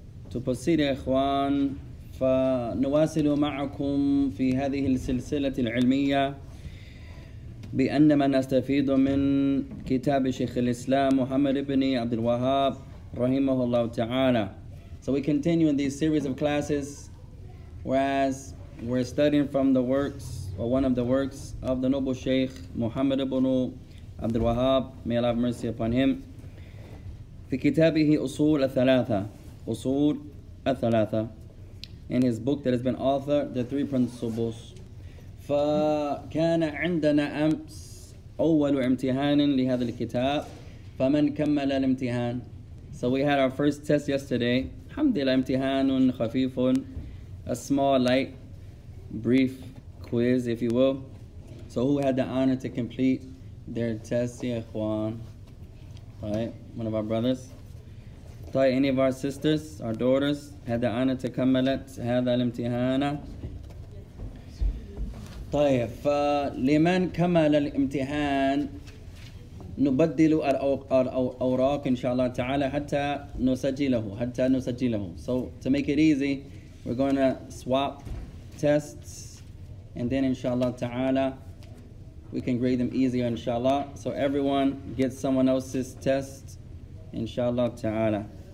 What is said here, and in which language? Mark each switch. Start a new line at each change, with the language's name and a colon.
English: To proceed,
Arabic: ikhwan, فنواصل معكم في هذه السلسلة العلمية بأنما نستفيد من كتاب شيخ الإسلام محمد بن عبد الوهاب رحمه الله تعالى.
English: So we continue in these series of classes, whereas we're studying from the works or one of the works of the noble Shaykh Muhammad ibn Abdul Wahhab, may Allah have mercy upon him.
Arabic: في كتابه أصول الثلاثة, أصول الثلاثة,
English: in his book that has been authored, The Three Principles.
Arabic: فكان عندنا أمس أول امتحان لهذا الكتاب, فمن كمل الامتحان.
English: So we had our first test yesterday.
Arabic: الحمد لله امتحان خفيف,
English: a small, light, brief quiz, if you will. So who had the honor to complete their test? Yeah, Juan. Right, one of our brothers. Thought any of our sisters, our daughters, had the honor to come at
Arabic: هذا الامتحان. طيب فلمن كمل الامتحان نبدل الأوراق إن شاء الله تعالى حتى نسجله حتى نسجله.
English: So to make it easy, we're going to swap tests. And then inshallah ta'ala, we can grade them easier inshallah. So everyone gets someone else's test inshallah ta'ala.